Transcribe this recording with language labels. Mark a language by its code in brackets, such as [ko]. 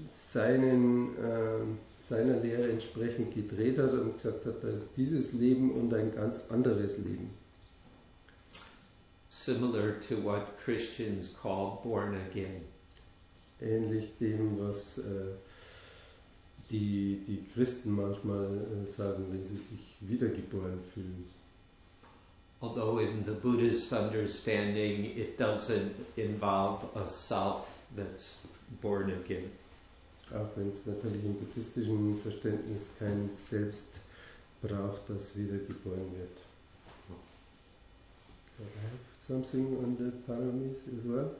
[de] seiner Lehre entsprechend gedreht hat und gesagt hat, da ist dieses Leben und ein ganz anderes Leben. [en] Similar to what Christians call born again. [de] Ähnlich dem, was die Christen manchmal sagen, wenn sie sich wiedergeboren fühlen. [en] Although in the Buddhist understanding it doesn't involve a self that's born again. [de] Auch wenn es natürlich im buddhistischen Verständnis kein Selbst braucht, das wiedergeboren wird. [en] Can I have something on the paramis as well?